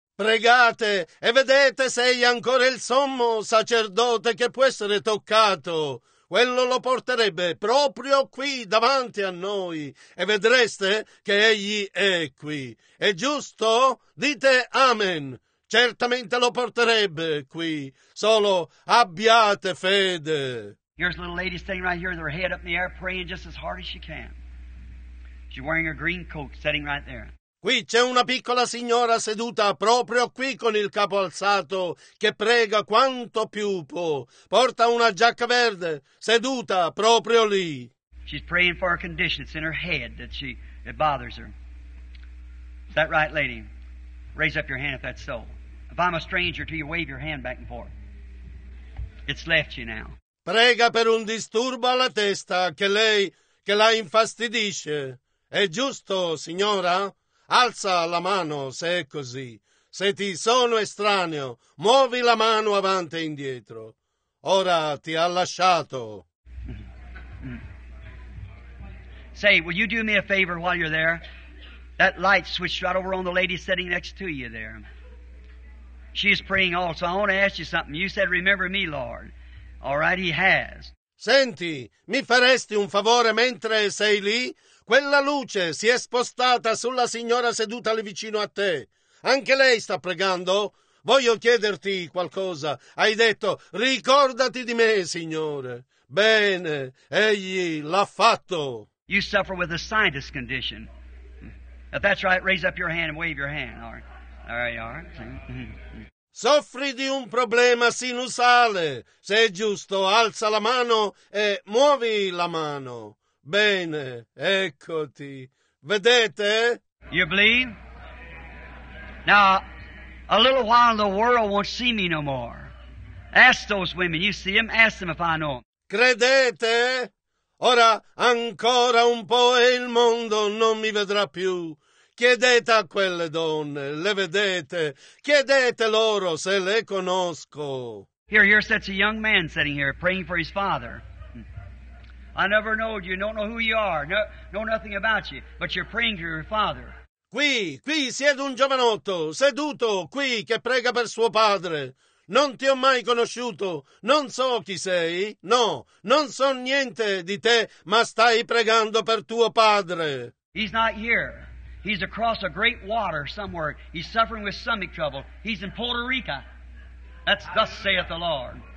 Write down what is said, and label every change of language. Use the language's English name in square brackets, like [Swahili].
[Italian] Pregate e vedete se è ancora il sommo sacerdote che può essere toccato. Quello lo porterebbe proprio qui davanti a noi e vedreste che egli è qui. È giusto? Dite amen. certamente lo porterebbe qui. Solo abbiate fede. [English] Here's a little lady standing right here with her head up in the air praying just as hard as she can. She's wearing her green coat, sitting right there. [Italian] Qui c'è una piccola signora seduta proprio qui con il capo alzato che prega quanto più può. Porta una giacca verde, seduta proprio lì. [English] She's praying for a condition. It's in her head that she it bothers her. Is that right, lady? Raise up your hand if that's so. If I'm a stranger to you, wave your hand back and forth. It's left you now. [Italian] Prega per un disturbo alla testa che lei che la infastidisce. È giusto, signora? Alza la mano se è così. Se ti sono estraneo, muovi la mano avanti e indietro. Ora ti ha lasciato. [English] Say, will you do me a favor while you're there? That light switched right over on the lady sitting next to you there. She's praying also. I want to ask you something. You said, remember me, Lord. All right, he has. [Italian] Senti, mi faresti un favore mentre sei lì? Quella luce si è spostata sulla signora seduta lì vicino a te. Anche lei sta pregando? Voglio chiederti qualcosa. Hai detto, ricordati di me, Signore. Bene, egli l'ha fatto. [English] You suffer with a sinus condition. If that's right, raise up your hand and wave your hand. All right, all right. All right. [Italian] Soffri di un problema sinusale. Se è giusto, alza la mano e muovi la mano. Bene, eccoti. Vedete? [English] You believe? Now, a little while the world won't see me no more. Ask those women. You see them? Ask them if I know them. [Italian] Credete? Ora, ancora un po' e il mondo non mi vedrà più. Chiedete a quelle donne, le vedete. Chiedete loro se le conosco. [English] Here sits a young man sitting here praying for his father. I never know you, don't know who you are, know nothing about you, but you're praying to your father. [Italian] Qui siede un giovanotto, seduto qui, che prega per suo padre. Non ti ho mai conosciuto, non so chi sei, no, non so niente di te, ma stai pregando per tuo padre. [English] He's not here, he's across a great water somewhere, he's suffering with stomach trouble, he's in Puerto Rico. That's thus saith the Lord.